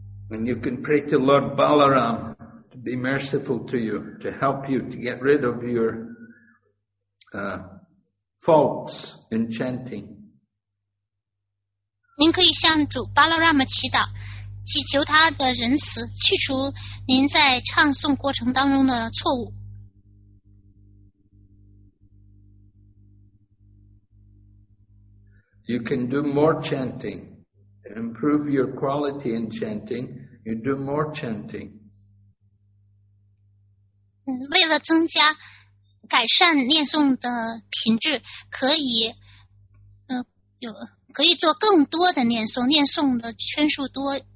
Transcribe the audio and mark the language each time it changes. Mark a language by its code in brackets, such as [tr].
[en] And you can pray to Lord Balaram to be merciful to you, to help you to get rid of your faults in chanting. [zh] 您可以向主巴拉拉姆祈祷，祈求他的仁慈，去除您在唱诵过程当中的错误。 [en] You can do more chanting, improve your quality in chanting. You do more chanting. [zh] 为了增加、改善念诵的品质，可以，有。可以做更多的念诵，念诵的圈数多。